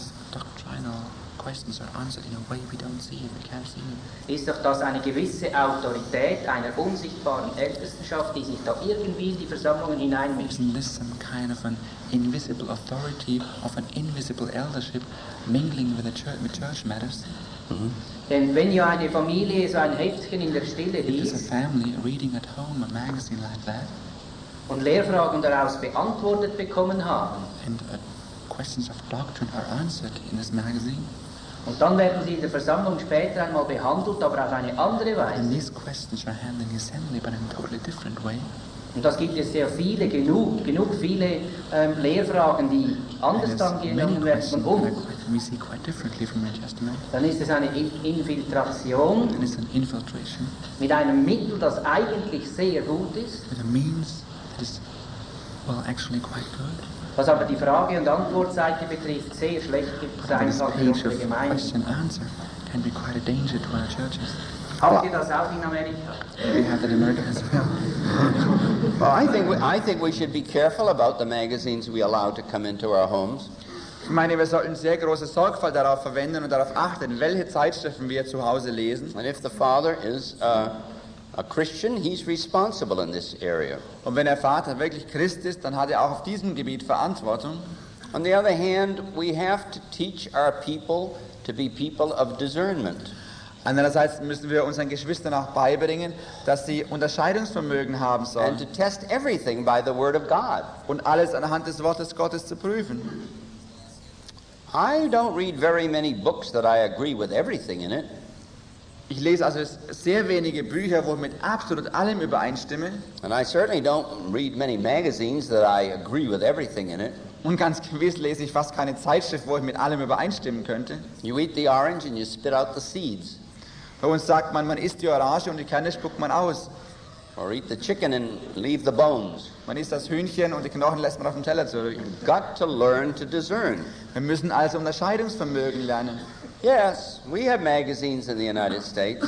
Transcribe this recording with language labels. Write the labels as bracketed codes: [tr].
[en] Doctrinal questions are answered in a way we don't see, we can't see. [de] Ist doch das eine gewisse Autorität einer unsichtbaren Ältestenschaft, die sich da irgendwie in die Versammlungen hineinmischt? [en] Isn't this some kind of an invisible authority of an invisible eldership mingling with the church, with church matters? [de] Denn wenn ja eine Familie so ein Heftchen in der Stille liest, [en] a family reading at home a magazine like that, [de] und Lehrfragen daraus beantwortet bekommen haben. [en] And questions of doctrine are answered in this magazine. [de] Und dann werden sie in der Versammlung später einmal behandelt, aber auf eine andere Weise. [en] And these questions are handled in the assembly, but in a totally different way. [de] Und das gibt es sehr viele, genug viele Lehrfragen, die anders angenommen werden von uns. [en] We see quite differently from New Testament. [de] Dann ist es eine Infiltration. [en] And it's an infiltration. [de] Mit einem Mittel, das eigentlich sehr gut ist. [en] With a means that is, well, actually quite good. [de] Was aber die Frage- und Antwortseite betrifft, sehr schlecht sein kann für unsere Gemeinde. [en] Can be quite a danger to our churches. [de] Habt ihr das auch in Amerika? [en] We have that in America as well. Well, I think we should be careful about the magazines we allow to come into our homes. [de] Ich meine, wir sollten sehr große Sorgfalt darauf verwenden und darauf achten, welche Zeitschriften wir zu Hause lesen. [en] And if the father is a Christian, he's responsible in this area. [de] Und wenn der Vater wirklich Christ ist, dann hat auch auf diesem Gebiet Verantwortung. [en] On the other hand, we have to teach our people to be people of discernment. [de] Andererseits müssen wir unseren Geschwistern auch beibringen, dass sie Unterscheidungsvermögen haben sollen. [en] And to test everything by the word of God. [de] Und alles anhand des Wortes Gottes zu prüfen. [en] I don't read very many books that I agree with everything in it. [de] Ich lese also sehr wenige Bücher, wo ich mit absolut allem übereinstimme. [en] And I certainly don't read many magazines that I agree with everything in it. [de] Und ganz gewiss lese ich fast keine Zeitschrift, wo ich mit allem übereinstimmen könnte. [en] You eat the orange and you spit out the seeds. [de] Bei uns sagt man, man isst die Orange und die Kerne spuckt man aus. [en] Or eat the chicken and leave the bones. [de] Man isst das Hühnchen und die Knochen lässt man auf dem Teller zurück. [en] You've got to learn to discern. [de] Wir müssen also Unterscheidungsvermögen lernen. [en] Yes, we have magazines in the United States.